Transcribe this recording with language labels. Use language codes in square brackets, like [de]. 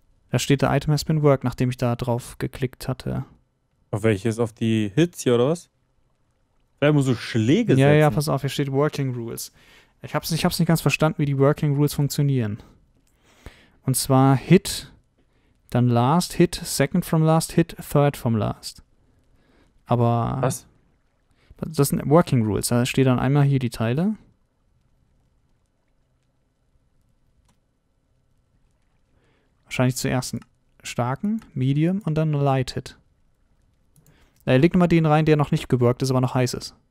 [de] Da steht, [en] the item has been worked, [de] nachdem ich da drauf geklickt hatte. Auf welches? Auf die Hits hier oder was? Da muss so Schläge setzen. Ja, ja, pass auf, hier steht Working Rules. Ich hab's nicht ganz verstanden, wie die Working Rules funktionieren. Und zwar Hit [en] Dann last hit, second from last hit, third from last. [de] Aber... Was? Das sind Working Rules. Da steht dann einmal hier die Teile. Wahrscheinlich zuerst einen starken, medium und dann light hit. Leg nochmal den rein, der noch nicht geworkt ist, aber noch heiß ist.